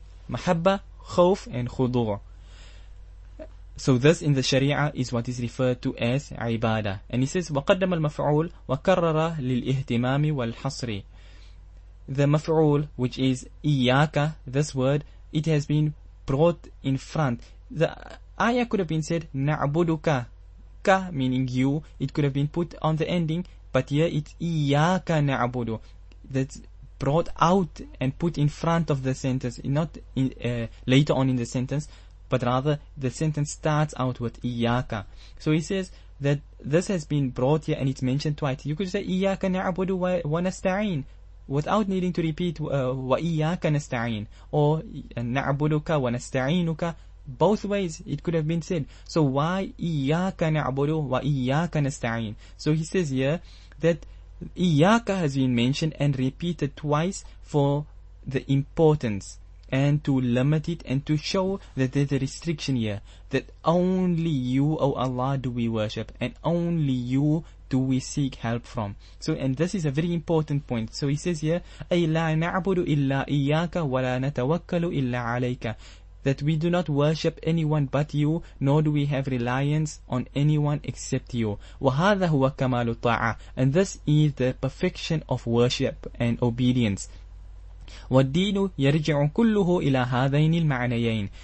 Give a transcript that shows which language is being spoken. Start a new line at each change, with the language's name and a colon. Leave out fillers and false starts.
Arabic: مَحَبَّة, خوف,
English: and
Arabic: خضور.
English: So this in the Sharia is what is referred to as عبادة. And he says,
Arabic: وقدم المفعول وكرر للإهتمام والحصري.
English: The مفعول, which is إياك, this word, it has been brought in front. The ayah could have been said نعبدك, ك meaning you. It could have been put on the ending, but here it's
Arabic: إياك نعبد.
English: That's brought out and put in front of the sentence, not in, later on in the sentence, but rather the sentence starts out with إياك. So he says that this has been brought here and it's mentioned twice. You could say
Arabic: إياك نعبد ونستعين
English: without needing to repeat
Arabic: وإياك نستعين,
English: or
Arabic: نعبدك ونستعينك,
English: both ways it could have been said. So why
Arabic: إياك نعبد وإياك نستعين?
English: So he says here that إياك has been mentioned and repeated twice for the importance and to limit it and to show that there's a restriction here, that only you, O Allah, do we worship and only you do we seek help from. So, and this is a very important point. So he says here,
Arabic: أي لا نعبد إلا إياك ولا نتوكل إلا عليك.
English: that we do not worship anyone but you, nor do we have reliance on anyone except you.
Arabic: وَهَذَا هُوَ كَمَالُ الطَّاعَةِ.
English: And this is the perfection of worship and obedience.
Arabic: وَالدِّينُ يَرْجِعُ كُلُّهُ إِلَى هَذَيْنِ الْمَعْنَيَيْنِ.